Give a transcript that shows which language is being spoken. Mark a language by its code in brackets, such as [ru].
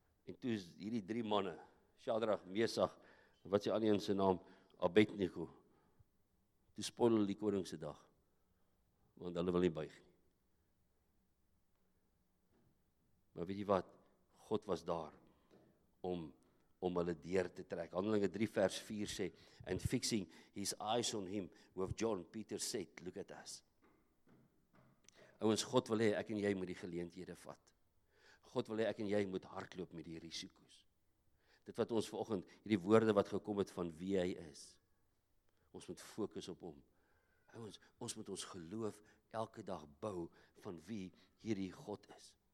[af] En toe is hierdie drie manne, Shadrach, Mesach, wat sê alleen sy naam, Abednego, toe spoil hulle die koningse dag, want hulle wil nie buig. Maar weet jy wat, God was daar om hulle deur te trek. Handelinge 3 vers 4 sê, [en] and fixing his eyes on him, with John, Peter said, look at us. [af] Ouens, God wil hê, ek en jy moet die geleenthede vat. God wil hê, ek en jy moet hardloop met die risiko's. Dit wat ons vanoggend, hierdie woorde wat gekom het van wie hy is, ons moet fokus op hom. Ouens, ons moet ons geloof elke dag bou van wie hierdie God is.